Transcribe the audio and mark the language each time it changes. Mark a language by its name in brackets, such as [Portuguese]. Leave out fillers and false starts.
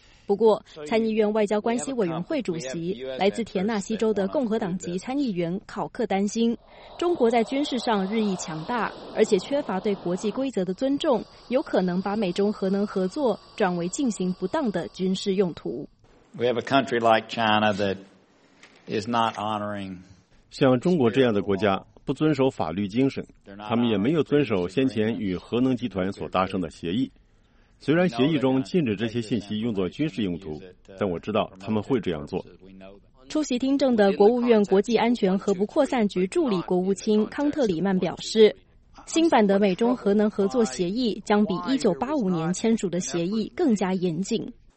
[Chinese] 不过，参议院外交关系委员会主席来自田纳西州的共和党籍参议员考克担心，中国在军事上日益强大，而且缺乏对国际规则的尊重，有可能把美中核能合作转为进行不当的军事用途。 [English] We have a country like China that is not honoring. [Chinese] 像中国这样的国家不遵守法律精神，他们也没有遵守先前与核能集团所达成的协议。虽然协议中禁止这些信息用作军事用途，但我知道他们会这样做。出席听证的国务院国际安全和不扩散局助理国务卿康特里曼表示，新版的美中核能合作协议将比1985年签署的协议更加严谨。